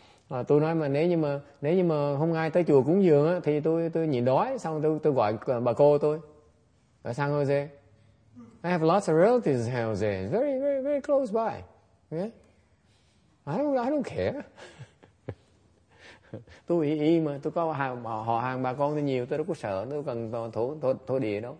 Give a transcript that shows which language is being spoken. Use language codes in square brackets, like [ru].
[vi] À, tôi nói mà nếu như mà không ai tới chùa cúng dường á thì tôi nhịn đói, xong tôi gọi bà cô tôi ở San Jose. [en] I have lots of relatives in San Jose, very very very close by. Yeah. I don't care. [vi] Tôi y mà tôi có họ hàng bà con tôi nhiều, tôi đâu có sợ, tôi cần thổ địa đâu.